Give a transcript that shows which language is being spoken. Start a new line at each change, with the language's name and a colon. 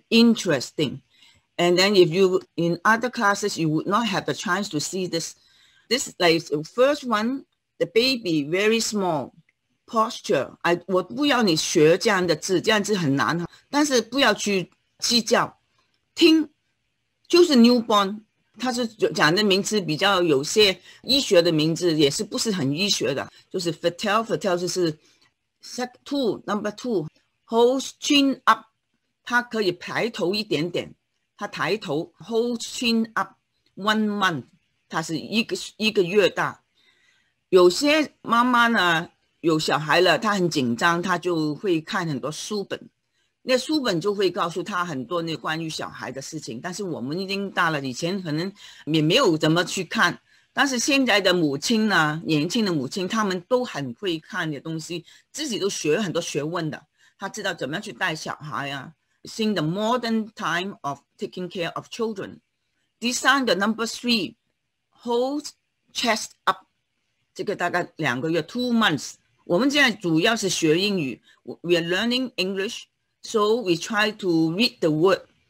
English: And then if you in other classes, you would not have a chance to see this. This like the first one, the baby, very small, posture.
Chinese: 我不要你学这样的字，这样子很难，但是不要去计较。听，就是 newborn, 它是讲的名字比较有些医学的名字，也是不是很医学的，就是 fetal 就是
English: step two, number two, hold chin up,
Chinese: 它可以抬头一点点。他抬头 ，
English: hold chin up one month，
Chinese: 他是一个月大。有些妈妈呢，有小孩了，她很紧张，她就会看很多书本，那书本就会告诉她很多那关于小孩的事情。但是我们已经大了，以前可能也没有怎么去看，但是现在的母亲呢，年轻的母亲，他们都很会看的东西，自己都学很多学问的，她知道怎么样去带小孩啊。
English: Seeing the modern time of taking care of children.
Chinese: 第三个
English: number three, hold chest up.
Chinese: 这个大概2个月
English: 2 months.
Chinese: 我们现在主要是学英语
English: We are learning English, so we try to read the word.